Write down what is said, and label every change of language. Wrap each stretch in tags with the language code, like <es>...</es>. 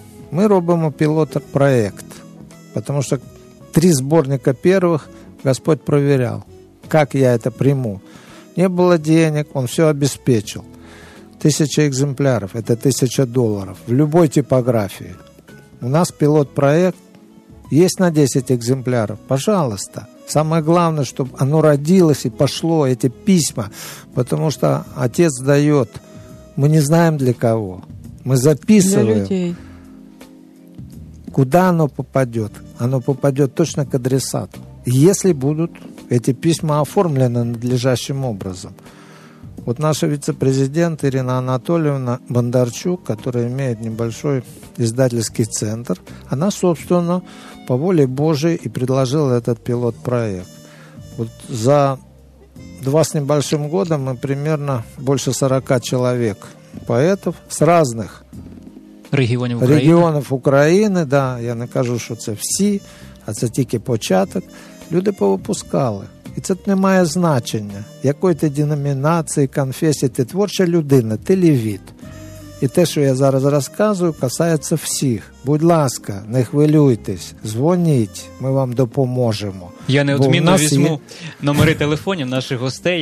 <uk>Ми робимо пілот-проєкт, тому що три зборника перших Господь провіряв, як я це прийму. Не було денег, він все обезпечив. 1000 екземплярів, це $1000 в будь-якій типографії. У нас пілот-проєкт є на 10 екземплярів, пожалуйста.</uk> <ru>Самое главное, чтобы оно родилось и пошло, эти письма. Потому что отец дает. Мы не знаем для кого. Мы записываем. Для людей. Куда оно попадет? Оно попадет точно к адресату. Если будут эти письма оформлены надлежащим образом. Вот наша вице-президент Ирина Анатольевна Бондарчук, которая имеет небольшой издательский центр, она, собственно, по воле Божией и предложила этот пилот-проект. Вот за 2 с небольшим года мы примерно больше 40 человек поэтов с разных регионов Украины. Да, я не кажу, что это все, а это только початок. Люди повыпускали.</ru> <uk>І це не має значення, якої ти деномінації, конфесії, ти творча людина, ти левіт. І те, що я зараз розказую, касається всіх. Будь ласка, не хвилюйтесь, дзвоніть, ми вам допоможемо. Я неодмінно візьму номери телефонів наших гостей.</uk>